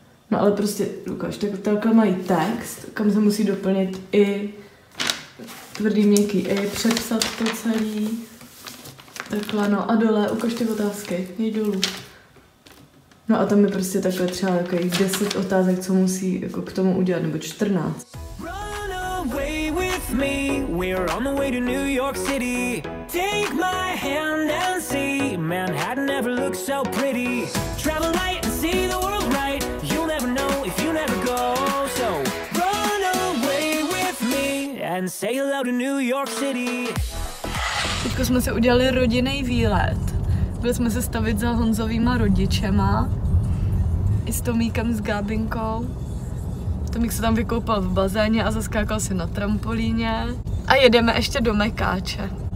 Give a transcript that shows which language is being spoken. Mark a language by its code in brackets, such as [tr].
[cs] No ale prostě, Lukáš, tak takhle mají text, kam se musí doplnit i tvrdý měkký, i přepsat to celý. Takhle, no a dole, ukaž ty otázky, jeď dolů. No a tam je prostě takhle třeba takových 10 otázek, co musí jako k tomu udělat, nebo 14. [en] Me, we're on the way to New York City. Take my hand and see Manhattan never looked so pretty. Travel light and see the world right. You'll never know if you never go. So run away with me and say hello to New York City. [cs] Teďko jsme se udělali rodinný výlet. Byli jsme se stavit za Honzovýma rodičema i s Tomíkem s Gábinkou. Tomík se tam vykoupal v bazéně a zaskákal si na trampolíně. A jedeme ještě do Mekáče.